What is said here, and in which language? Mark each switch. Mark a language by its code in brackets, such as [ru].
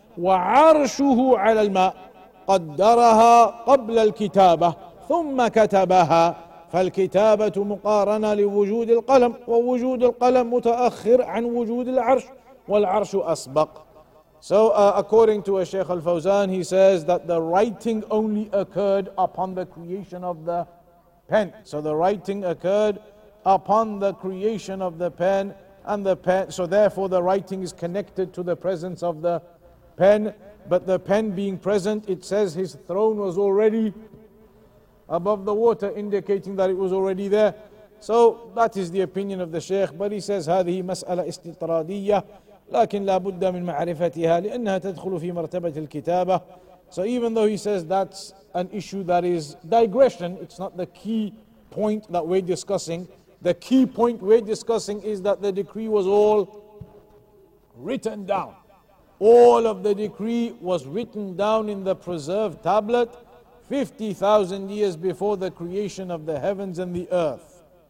[ar] وعرشه على الماء قدرها قبل الكتابة ثم كتبها. فالكتابة مقارنة لوجود القلم، ووجود القلم متأخر عن وجود العرش، والعرش أسبق. [en] So according to Sheikh Al-Fawzan, he says that the writing only occurred upon the creation of the pen. So the writing occurred upon the creation of the pen, and the pen, so therefore the writing is connected to the presence of the pen. But the pen being present, it says his throne was already above the water, indicating that it was already there. So that is the opinion of the Sheikh. But he says [ar] هذه مسألة استطرادية لكن لا بد من معرفتها لأنها تدخل في مرتبة الكتابة. [en] So even though he says that's an issue that is digression, it's not the key point that we're discussing. The key point we're discussing is that the decree was all written down. All of the decree was written down in the preserved tablet 50,000 years before the creation of the heavens and the earth.